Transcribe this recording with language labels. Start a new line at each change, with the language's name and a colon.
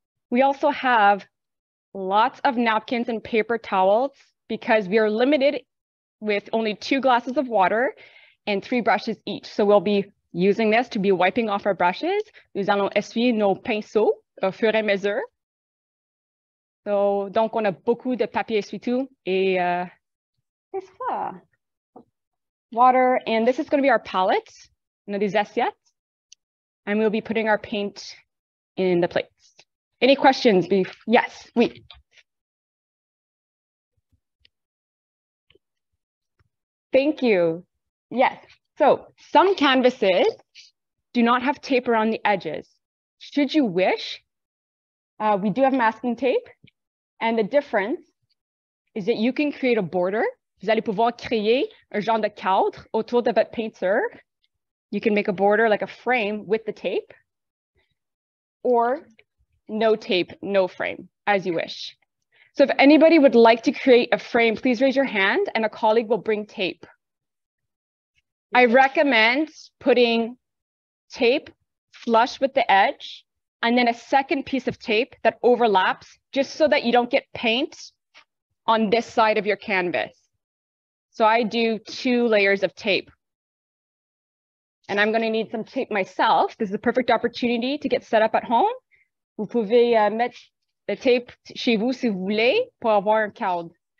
English: We also have lots of napkins and paper towels because we are limited with only two glasses of water and three brushes each. So we'll be using this to be wiping off our brushes.
French: Nous allons essuyer nos pinceaux. Au fur et à mesure. So, donc, on a beaucoup de papier essuie-tout et qu'est-ce que ça?
English: Water, and this is going to be our palette.
French: On a des assiettes.
English: And we'll be putting our paint in the plates. Any questions? Yes, oui. Thank you. Yes. So, some canvases do not have tape around the edges. Should you wish, we do have masking tape, and the difference is that you can create a border.
French: Vous allez pouvoir créer un genre de cadre autour de votre peinture.
English: You can make a border, like a frame, with the tape, or no tape, no frame, as you wish. So if anybody would like to create a frame, please raise your hand, and a colleague will bring tape. I recommend putting tape flush with the edge, and then a second piece of tape that overlaps just so that you don't get paint on this side of your canvas. So I do two layers of tape. And I'm going to need some tape myself. This is a perfect opportunity to get set up at home.
French: Vous pouvez mettre le tape chez vous si vous voulez pour avoir un cadre.